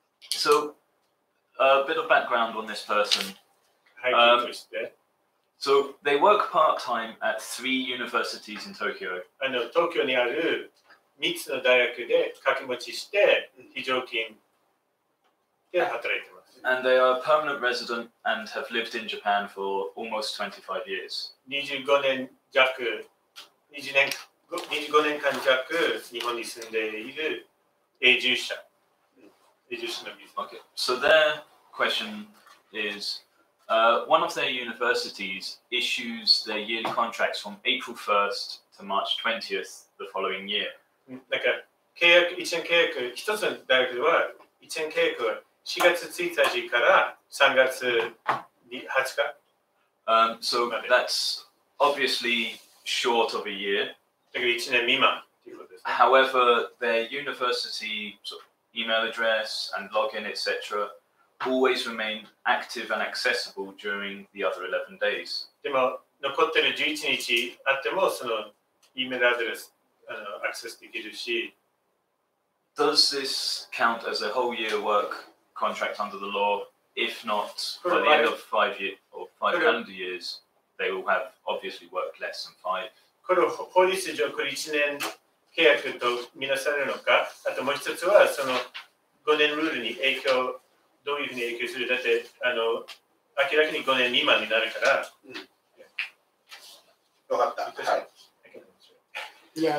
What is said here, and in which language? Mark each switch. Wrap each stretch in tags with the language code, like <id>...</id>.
<en>So, a bit of background on this person. So, they work part time at three universities in Tokyo.</en> <ja>あの、東京にある三つの大学で掛け持ちして非常勤。</ja> <en>And they are a permanent resident and have lived in Japan for almost 25 years.</en> <ja>25年弱、日本に住んでいる永住者のビザ。</ja> <en>Okay. So their question is, one of their universities issues their yearly contracts from April 1st to March 20th the following year.</en> <ja>なんか契約、一年契約、一つの大学は一年契約は4月1日から3月20日。</ja> <en>So that's obviously short of a year.</en> <ja>だから1年未満ということです。</ja> <en>However, their university email address and login, etc. always remain active and accessible during the other 11 days.</en> <ja>でも残ってる11日あってもその email address アクセスできるし。</ja> <en>Does this count as a whole year work contract under the law? If not, by the end of 5 years or five calendar years, they will have obviously worked less than five.</en> <ja>これを法律上これ1年契約とみなされるのか、あともう一つはその5年ルールに影響、どういうふうに影響する、だってあの明らかに5年未満になるから。わかった。はい。いや、</ja>